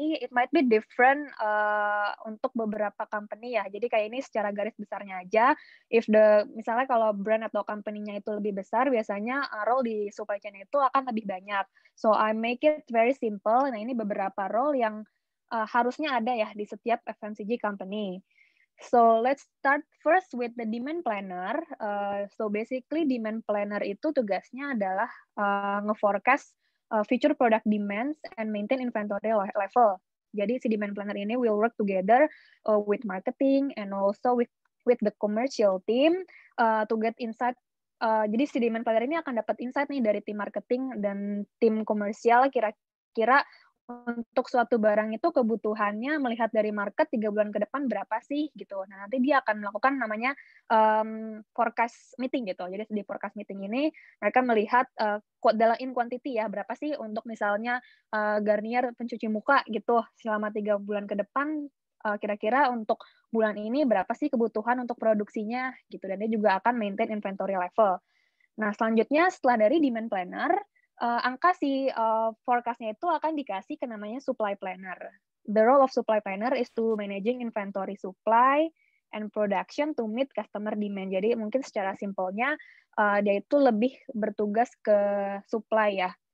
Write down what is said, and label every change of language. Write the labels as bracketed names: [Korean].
[English] It might be different [Indonesian] untuk beberapa [English] company ya. [Indonesian] Jadi kayak ini secara garis besarnya aja. Misalnya kalau brand atau company-nya itu lebih besar, biasanya role di supply chain itu akan lebih banyak. [English] So I make it very simple. [Indonesian] Nah ini beberapa role yang harusnya ada ya di setiap FMCG company. [English] So let's start first with the demand planner. So basically demand planner [Indonesian] itu tugasnya adalah nge-forecast [English] future product demands and maintain inventory level. [Indonesian] Jadi si [English] demand planner ini will work together with marketing and also with the commercial team to get insight. [Indonesian] Jadi si demand planner ini akan dapat insight nih dari tim marketing dan tim komersial kira-kira untuk suatu barang itu kebutuhannya melihat dari market 3 bulan ke depan berapa sih gitu. Nah, nanti dia akan melakukan namanya forecast meeting gitu. Jadi di forecast meeting ini mereka melihat dalam [English] in quantity [Indonesian] ya berapa sih untuk misalnya Garnier pencuci muka gitu selama 3 bulan ke depan kira-kira untuk bulan ini berapa sih kebutuhan untuk produksinya gitu, dan dia juga akan [English] maintain inventory level. [Indonesian] Nah, selanjutnya setelah dari demand planner, angka si forecast-nya itu akan dikasih ke namanya supply planner. [English] The role of supply planner is to managing inventory supply and production to meet customer demand. [Indonesian] Jadi mungkin secara simpelnya dia itu lebih bertugas ke supply ya.